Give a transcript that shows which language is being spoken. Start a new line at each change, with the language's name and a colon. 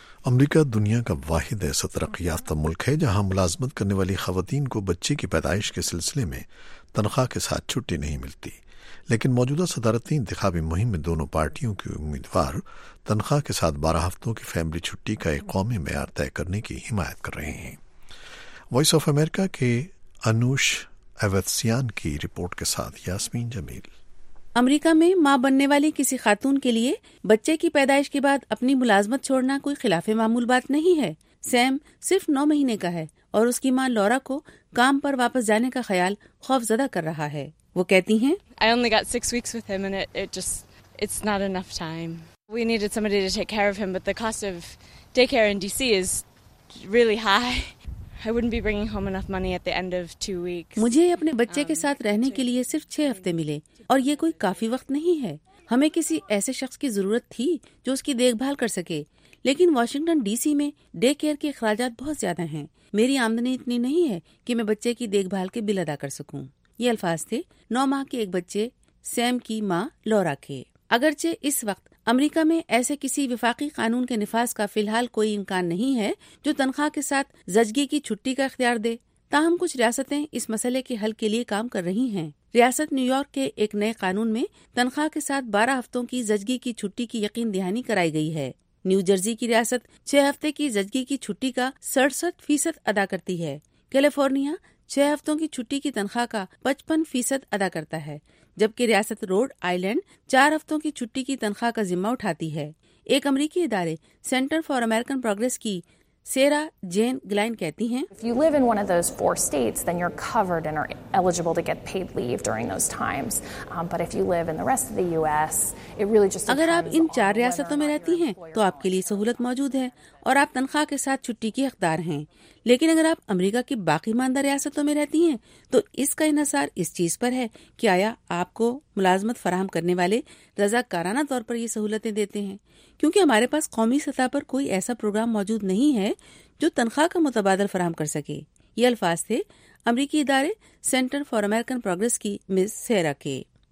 Urdu: امریکہ دنیا کا واحد ایسا ترقی یافتہ ملک ہے جہاں ملازمت کرنے والی خواتین کو بچے کی پیدائش کے سلسلے میں تنخواہ کے ساتھ چھٹی نہیں ملتی، لیکن موجودہ صدارتی انتخابی مہم میں دونوں پارٹیوں کے امیدوار تنخواہ کے ساتھ 12 ہفتوں کی فیملی چھٹی کا ایک قومی معیار طے کرنے کی حمایت کر رہے ہیں۔ وائس آف امریکہ کے انوش ایوتسیان کی رپورٹ کے ساتھ یاسمین جمیل۔ امریکہ میں ماں بننے والی کسی خاتون کے لیے بچے کی پیدائش کے بعد اپنی ملازمت چھوڑنا کوئی خلاف معمول بات نہیں ہے۔ سیم صرف 9 مہینے کا ہے اور اس کی ماں لورا کو کام پر واپس جانے کا خیال خوف زدہ کر رہا ہے۔ وہ کہتی ہیں،
English: I only got 6 weeks with him and it's not enough time. We needed somebody to take care of him but the cost of daycare in DC is really high. I wouldn't be bringing home enough money at the end of 2 weeks.
Urdu: مجھے اپنے بچے کے ساتھ رہنے کے لیے صرف 6 ہفتے ملے اور یہ کوئی کافی وقت نہیں ہے۔ ہمیں کسی ایسے شخص کی ضرورت تھی جو اس کی دیکھ بھال کر سکے، لیکن واشنگٹن ڈی سی میں ڈے کیئر کے اخراجات بہت زیادہ ہیں۔ میری آمدنی اتنی نہیں ہے کہ میں بچے کی دیکھ بھال کے بل ادا کر سکوں۔ یہ الفاظ تھے 9 ماہ کے ایک بچے سیم کی ماں لورا کے۔ اگرچہ اس وقت امریکہ میں ایسے کسی وفاقی قانون کے نفاذ کا فی الحال کوئی امکان نہیں ہے جو تنخواہ کے ساتھ زچگی کی چھٹی کا اختیار دے، تاہم کچھ ریاستیں اس مسئلے کے حل کے لیے کام کر رہی ہیں۔ ریاست نیو یارک کے ایک نئے قانون میں تنخواہ کے ساتھ 12 ہفتوں کی زچگی کی چھٹی کی یقین دہانی کرائی گئی ہے۔ نیو جرزی کی ریاست 6 ہفتے کی زچگی کی چھٹی کا 67% ادا کرتی ہے۔ کیلیفورنیا 6 ہفتوں کی چھٹی کی تنخواہ کا 55% ادا کرتا ہے، جبکہ ریاست روڈ آئیلینڈ 4 ہفتوں کی چھٹی کی تنخواہ کا ذمہ اٹھاتی ہے۔ ایک امریکی ادارے سینٹر فار امریکن پروگریس کی سیرا جین گلائن کہتی ہیں،
English: If you live in one of those four states, then you're covered and are eligible to get paid leave during those times. But if you live in the rest of the US, it really just
Urdu: اگر آپ ان چار ریاستوں میں رہتی ہیں تو آپ کے لیے سہولت موجود ہے اور آپ تنخواہ کے ساتھ چھٹی کے حقدار ہیں، لیکن اگر آپ امریکہ کی باقی ماندہ ریاستوں میں رہتی ہیں تو اس کا انحصار اس چیز پر ہے کہ آیا آپ کو ملازمت فراہم کرنے والے رضاکارانہ طور پر یہ سہولتیں دیتے ہیں، کیونکہ ہمارے پاس قومی سطح پر کوئی ایسا پروگرام موجود نہیں ہے جو تنخواہ کا متبادل فراہم کر سکے۔ یہ الفاظ تھے امریکی ادارے سینٹر فار امریکن پروگریس کی مس سیرا کے۔